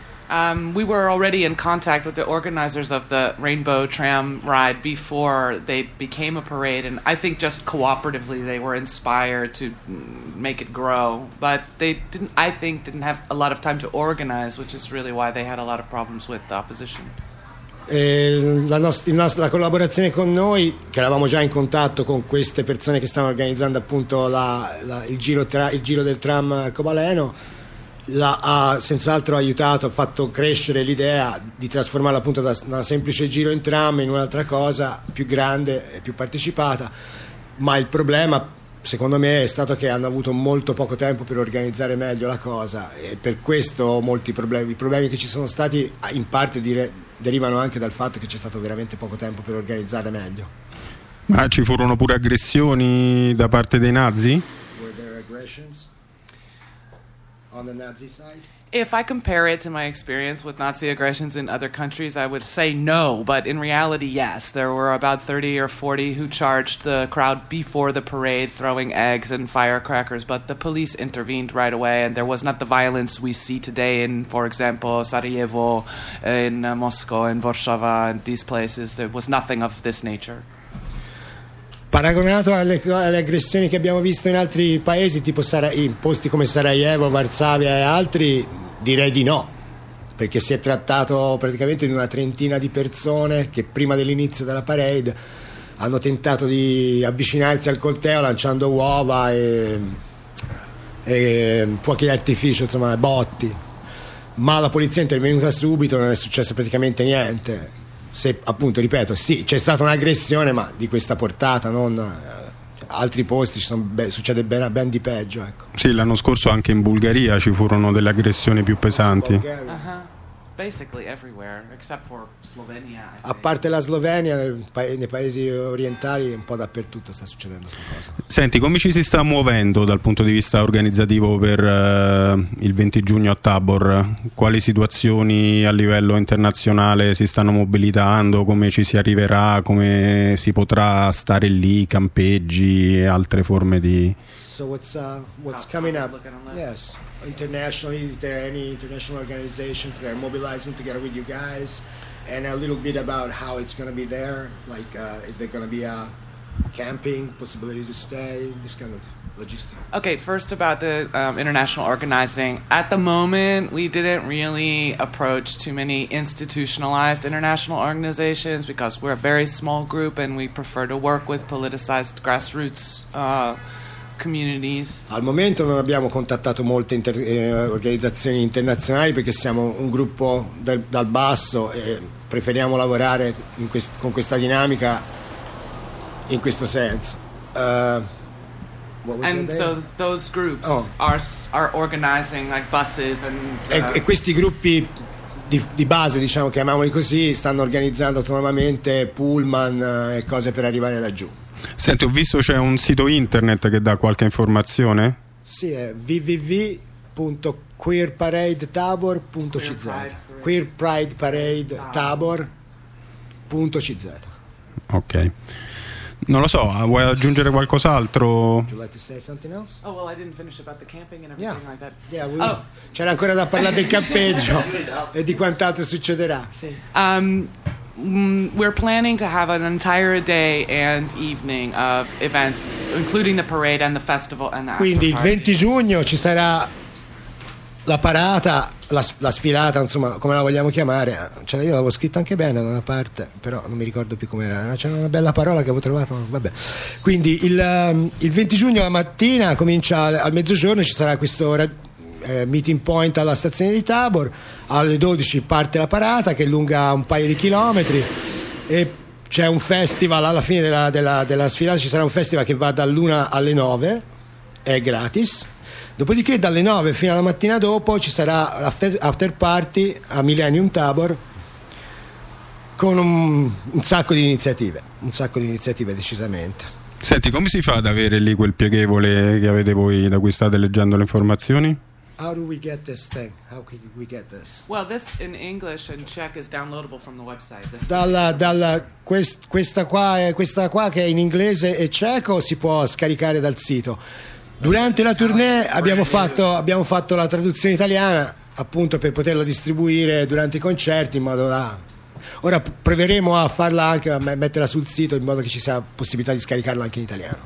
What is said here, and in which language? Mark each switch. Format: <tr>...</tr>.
<en>We were already in contact with the organizers of the Rainbow Tram ride before they became a parade, and I think just cooperatively they were inspired to make it grow, but they didn't, I think, didn't have a lot of time to organize, which is really why they had a lot of problems with the opposition.</en> <it>La collaborazione con noi, che eravamo già in contatto con queste persone che stavano organizzando appunto il giro del tram arcobaleno, ha senz'altro aiutato, ha fatto crescere l'idea di trasformarla appunto da un semplice giro in tram in un'altra cosa più grande e più partecipata. Ma il problema, secondo me, è stato che hanno avuto molto poco tempo per organizzare meglio la cosa, e per questo molti problemi. I problemi che ci sono stati in parte derivano anche dal fatto che c'è stato veramente poco tempo per organizzare meglio. Ma ci furono pure aggressioni da parte dei nazi?</it> <en>Were there aggressions? On the Nazi side? If I compare it to my experience with Nazi aggressions in other countries, I would say no, but in reality, yes. There were about 30 or 40 who charged the crowd before the parade, throwing eggs and firecrackers, but the police intervened right away, and there was not the violence we see today in, for example, Sarajevo, in Moscow, in Warszawa, and these places. There was nothing of this nature.</en> <it>Paragonato alle aggressioni che abbiamo visto in altri paesi, tipo in posti come Sarajevo, Varsavia e altri, direi di no, perché si è trattato praticamente di una trentina di persone che prima dell'inizio della parade hanno tentato di avvicinarsi al corteo lanciando uova e fuochi d'artificio, insomma, botti. ma la polizia è intervenuta subito, non è successo praticamente niente. Se, appunto, ripeto, sì, c'è stata un'aggressione, ma di questa portata, non altri posti, ci sono, succede ben di peggio, ecco. Sì, l'anno scorso anche in Bulgaria ci furono delle aggressioni più pesanti.</it> <en>Basically everywhere except for Slovenia.</en> <it>A parte la Slovenia, nei paesi orientali un po' dappertutto sta succedendo questa cosa. Senti, come ci si sta muovendo dal punto di vista organizzativo per il 20 giugno a Tabor? Quali situazioni a livello internazionale si stanno mobilitando? Come ci si arriverà? Come si potrà stare lì, campeggi e altre forme di...</it> <en>So what's coming up? Yes. Internationally, is there any international organizations that are mobilizing together with you guys? And a little bit about how it's going to be there. Like, is there going to be a camping, possibility to stay, this kind of logistics? Okay, first about the international organizing. At the moment, we didn't really approach too many institutionalized international organizations because we're a very small group and we prefer to work with politicized grassroots communities.</en> <it>Al momento non abbiamo contattato molte organizzazioni internazionali perché siamo un gruppo dal basso e preferiamo lavorare con questa dinamica in questo senso.</it> <en>And so those groups are organizing like buses and</en> <it>e questi gruppi di base, diciamo, chiamiamoli così, stanno organizzando autonomamente pullman e cose per arrivare laggiù. Senti, ho visto c'è un sito internet che dà qualche informazione? Sì, è www.queerparadetabor.cz. queerprideparadetabor.cz. Ok. Non lo so, vuoi aggiungere qualcos'altro?</it> <en>Would you like to say something else? Oh, well, I didn't finish about the camping and everything yeah. like that.</en> <it>Yeah, c'era ancora da parlare del campeggio e di quant'altro succederà. Sì.</it> <en>We're planning to have an entire day and evening of events, including the parade and the festival and the after party.</en> <it>Quindi 20 giugno ci sarà la parata, la sfilata, insomma, come la vogliamo chiamare. Cioè, io l'avevo scritto anche bene da una parte, però non mi ricordo più come era. C'era una bella parola che avevo trovato, vabbè. Quindi il 20 giugno la mattina comincia al mezzogiorno, ci sarà quest'ora. Meeting point alla stazione di Tabor, alle 12 parte la parata che è lunga un paio di chilometri e c'è un festival alla fine della sfilata. Ci sarà un festival che va dall'1 alle 9, è gratis. Dopodiché dalle 9 fino alla mattina dopo ci sarà l'after party a Millennium Tabor con un sacco di iniziative, decisamente. Senti, come si fa ad avere lì quel pieghevole che avete voi da cui state leggendo le informazioni?</it> <en>How do we get this thing? How can we get this? Well, this in English and Czech is downloadable from the website.</en> <it>Questa qua che è in inglese e ceco si può scaricare dal sito. Durante la tournée abbiamo fatto la traduzione italiana, appunto, per poterla distribuire durante i concerti in modo da... Ora proveremo a farla anche, a metterla sul sito in modo che ci sia possibilità di scaricarla anche in italiano.</it>